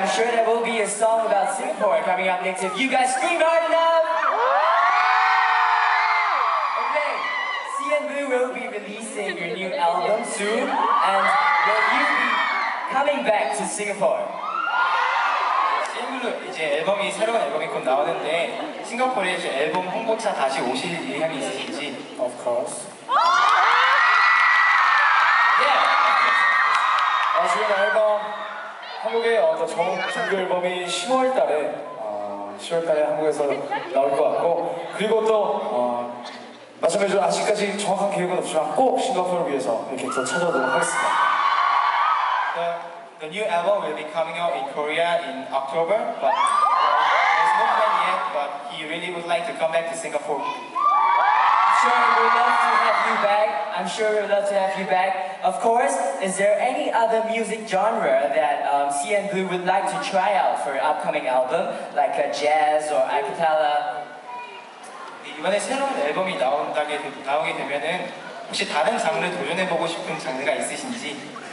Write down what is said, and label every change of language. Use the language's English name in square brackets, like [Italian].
[English] I'm sure there will be a song about Singapore coming up next. If you guys scream hard enough! Okay, CNBlue will be releasing your new album soon, and will you be coming back to Singapore. [Korean] CNBlue 이제 앨범이 새로운 앨범이 곧 나오는데 싱가포르에 이제 앨범 홍보차 다시 오실 의향이 있으신지? [English] Of course. Yeah. [Korean] 지금 앨범 한국의 정규 앨범이 10월달에 10월달에 한국에서 나올 것 같고 그리고 또 마찬가지로 아직까지 정확한 계획은 없지만 꼭 싱가포르 위해서 이렇게 더 찾아오도록 하겠습니다. [English] The new album will be coming out in Korea in October, but there's no plan yet, but he really would like to come back to Singapore. I'm sure we would love to have you back. I'm sure we would love to have you back. Of course, is there any other music genre that CNBlue would like to try out for an upcoming album, like a jazz or a cappella? [Korean] 이번에 새로운 앨범이 나오게 되면은 혹시 다른 장르 도전해보고 싶은 장르가 있으신지?